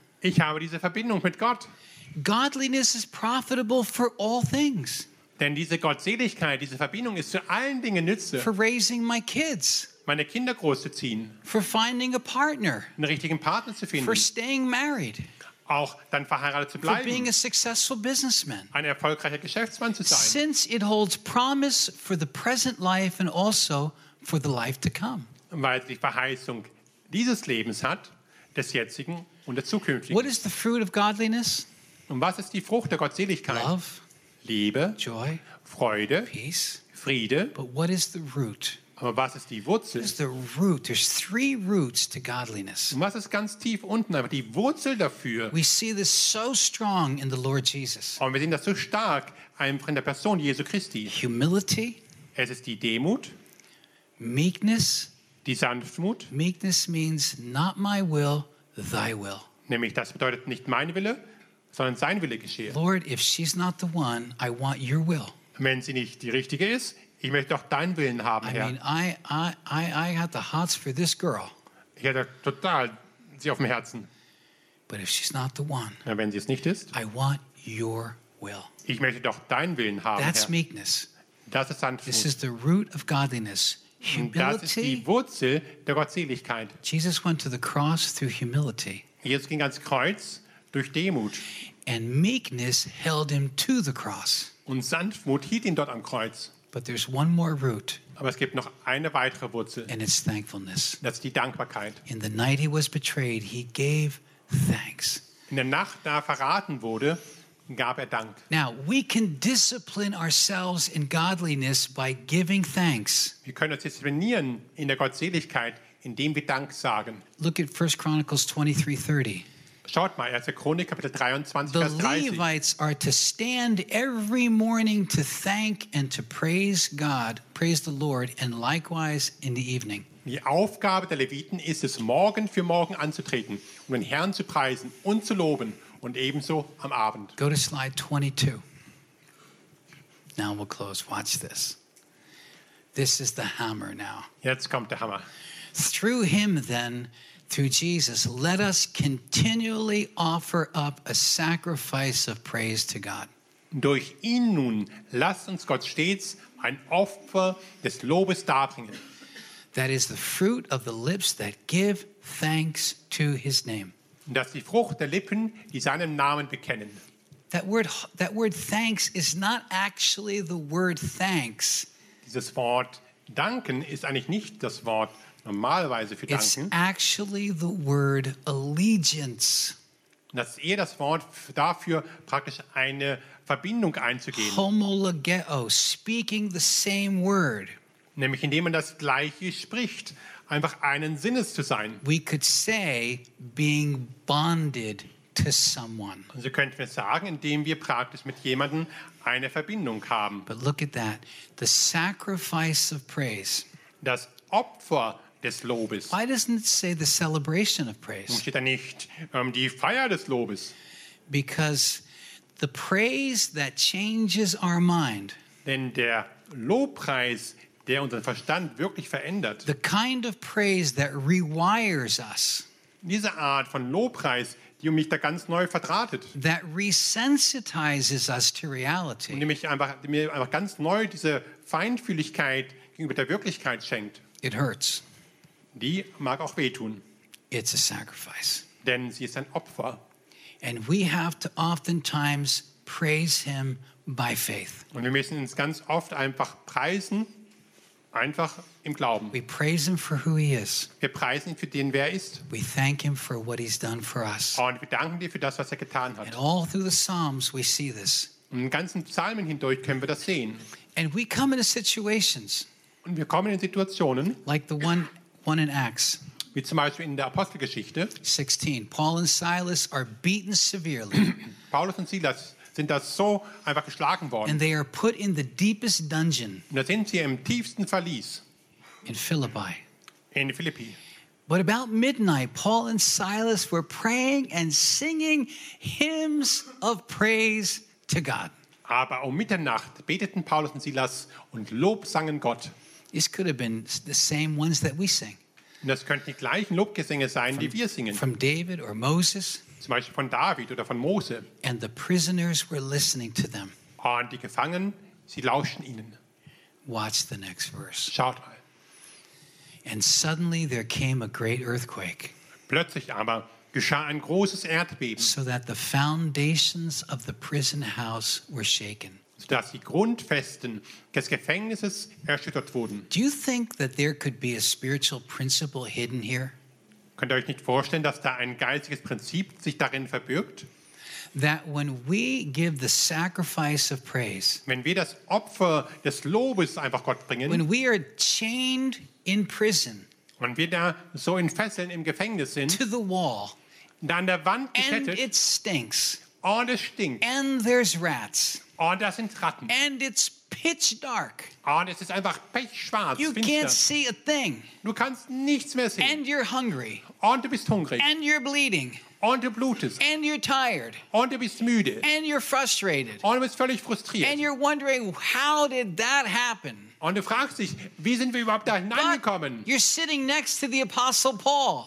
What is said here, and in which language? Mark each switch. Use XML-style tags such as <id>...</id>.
<de>Ich habe diese Verbindung mit Gott.</de> <en>Godliness is profitable for all things.</en> <de>Denn diese Gottseligkeit, diese Verbindung ist zu allen Dingen nütze.</de> <en>For raising my kids.</en> <de>Meine Kinder großzuziehen.</de> <en>For finding a partner.</en> <de>Einen richtigen Partner zu finden.</de> <en>For staying married.</en> <de>Auch dann verheiratet zu bleiben.</de> <en>For being a successful businessman.</en> <de>Ein erfolgreicher Geschäftsmann zu sein.</de> <en>Since it holds promise for the present life and also for the life to come.</en> <de>Weil die Verheißung dieses Lebens hat, des jetzigen und des zukünftigen.</de> <en>What is the fruit of godliness?</en> <de>Und was ist die Frucht der Gottseligkeit?</de> <en>Love,</en> <de>Liebe,</de> <en>joy,</en> <de>Freude,</de> <en>peace,</en> <de>Friede.</de> <en>But what is the root?</en> <de>Aber was ist die Wurzel?</de> <en>It's the root. There's three roots to godliness.</en> <de>Und was ist ganz tief unten? Aber die Wurzel dafür.</de> <en>We see this so strong in the Lord Jesus.</en> <de>Und wir sehen das so stark einfach in der Person Jesu Christi.</de> <en>Humility.</en> <de>Es ist die Demut.</de> <en>Meekness.</en> <de>Die Sanftmut.</de> <en>Meekness means not my will, thy will.</en> <de>Nämlich das bedeutet nicht mein Wille, sondern sein Wille geschehe.</de> <en>Lord, if she's not the one, I want your will.</en> <de>Wenn sie nicht die richtige ist, ich möchte auch deinen Willen haben, Herr.</de> <en>I mean, I had the hots for this girl.</en> <de>Ich hatte total sie auf dem Herzen.</de> <en>But if she's not the one,</en> <de>ja, wenn sie es nicht ist,</de> <en>I want your will.</en> <de>Ich möchte doch deinen Willen haben,</de> <en>That's</en> <de>Herr.</de> <en>Meekness.</en> <de>Das ist Sanftmut.</de> <en>This is the root of godliness. Humility.</en> <de>Und das ist die Wurzel der Gottseligkeit.</de> <en>Jesus went to the cross through humility.</en> <de>Jesus ging ans Kreuz durch Demut.</de> <en>And meekness held him to the cross.</en> <de>Und Sanftmut hielt ihn dort am Kreuz.</de> <en>But there's one more root.</en> <de>Aber es gibt noch eine weitere Wurzel.</de> <en>And it's thankfulness.</en> <de>Das ist die Dankbarkeit.</de> <en>In the night he was betrayed, he gave thanks.</en> <de>In der Nacht, da verraten wurde, gab er Dank.</de> <en>Now we can discipline ourselves in godliness by giving thanks.</en> <de>Wir können uns disziplinieren in der Gottseligkeit, indem wir Dank sagen.</de> <en>Look at 1 Chronicles 23:30.</en> <de>Schaut mal, 1. Chronik, Kapitel 23,</de> <en>the</en> <de>Vers 30.</de> <en>The Levites are to stand every morning to thank and to praise God, praise the Lord, and likewise in the evening.</en> <de>Die Aufgabe der Leviten ist es, morgen für morgen anzutreten, um den Herrn zu preisen und zu loben und ebenso am Abend.</de> <en>Go to slide 22. Now we'll close. Watch this. This is the hammer now.</en> <de>Jetzt kommt der Hammer.</de> <en>Through him then, through Jesus, let us continually offer up a sacrifice of praise to God.</en> <de>Durch ihn nun lasst uns Gott stets ein Opfer des Lobes darbringen.</de> <en>That is the fruit of the lips that give thanks to his name.</en> <de>Das ist die Frucht der Lippen, die seinen Namen bekennen.</de> <en>That word thanks is not actually the word thanks.</en> <de>Dieses Wort danken ist eigentlich nicht das Wort normalerweise für danken.</de> <en>It's actually the word allegiance.</en> <de>Das ist eher das Wort dafür, praktisch eine Verbindung einzugehen.</de> <en>Homologeo, speaking the same word.</en> <de>Nämlich indem man das Gleiche spricht, einfach einen Sinnes zu sein.</de> <en>We could say being bonded to someone.</en> <de>Also könnten wir sagen, indem wir praktisch mit jemandem eine Verbindung haben.</de> <en>But look at that, the sacrifice of praise.</en> <de>Das Opfer des Lobes.</de> <en>Why doesn't it say the celebration of praise?</en> <de>Steht da nicht die Feier des Lobes?</de> <en>Because the praise that changes our mind.</en> <de>Denn der Lobpreis, der unseren Verstand wirklich verändert.</de> <en>The kind of praise that rewires us.</en> <de>Diese Art von Lobpreis, die mich da ganz neu verdrahtet.</de> <en>That resensitizes us to reality.</en> <de>Und mir einfach ganz neu diese Feinfühligkeit gegenüber der Wirklichkeit schenkt.</de> <en>It hurts.</en> <de>Die mag auch wehtun.</de> <en>It's a sacrifice.</en> <de>Denn sie ist ein Opfer.</de> <en>And we have to oftentimes praise him by faith.</en> <de>Und wir müssen uns ganz oft einfach preisen, einfach im Glauben.</de> <en>We praise him for who he is.</en> <de>Wir preisen ihn für den, wer er ist.</de> <en>We thank him for what he's done for us.</en> <de>Und wir danken ihm für das, was er getan hat.</de> <en>And all through the Psalms we see this.</en> <de>Und in ganzen Psalmen hindurch können wir das sehen.</de> <en>And we come into situations.</en> <de>Und wir kommen in Situationen,</de> <en>like the one in Acts,</en> <de>wie zum Beispiel in der Apostelgeschichte</de> <en>16. Paul and Silas are beaten severely.</en> <de>Paulus und Silas sind da so einfach geschlagen worden.</de> <en>And they are put in the deepest dungeon.</en> <de>Und da sind sie im tiefsten Verlies.</de> <en>In Philippi.</en> <de>In Philippi.</de> <en>But about midnight, Paul and Silas were praying and singing hymns of praise to God.</en> <de>Aber um Mitternacht beteten Paulus und Silas und lobsangen Gott.</de> <en>This could have been the same ones that we sing.</en> <de>Und das könnten die gleichen Lobgesänge sein, die wir singen.</de> <en>From David or Moses.</en> <de>Zum Beispiel von David oder von Mose.</de> <en>And the prisoners were listening to them.</en> <de>Und die Gefangenen, sie lauschen ihnen.</de> <en>Watch the next verse.</en> <de>Schaut mal.</de> <en>And suddenly there came a great earthquake.</en> <de>Plötzlich aber geschah ein großes Erdbeben.</de> <en>So that the foundations of the prison house were shaken.</en> <de>Dass die Grundfesten des Gefängnisses erschüttert wurden.</de> <en>Do you think that there could be a spiritual principle hidden here?</en> <de>Könnt ihr euch nicht vorstellen, dass da ein geistiges Prinzip sich darin verbirgt?</de> <en>that when we give the sacrifice of praise,</en> <de>wenn wir das Opfer des Lobes einfach Gott bringen,</de> <en>when we are chained in prison,</en> <de>wenn wir da so in Fesseln im Gefängnis sind,</de> <en>to the wall,</en> <de>dann der Wand gekettet,</de> <en>and it stinks,</en> <de>und es stinkt,</de> <en>and there's rats,</en> <de>und da sind Ratten,</de> <en>and it's pitch dark.</en> <de>Und es ist einfach pechschwarz,</de> <en>you</en> <de>finster.</de> <en>Can't see a thing.</en> <de>Du kannst nichts mehr sehen.</de> <en>And you're hungry.</en> <de>Und du bist hungrig.</de> <en>And you're bleeding.</en> <de>Und du blutest.</de> <en>And you're tired.</en> <de>Und du bist müde.</de> <en>And you're frustrated.</en> <de>Und du bist völlig frustriert.</de> <en>And you're wondering, how did that happen?</en> <de>Und du fragst dich, wie sind wir überhaupt da hineingekommen?</de> <en>You're sitting next to the Apostle Paul.</en>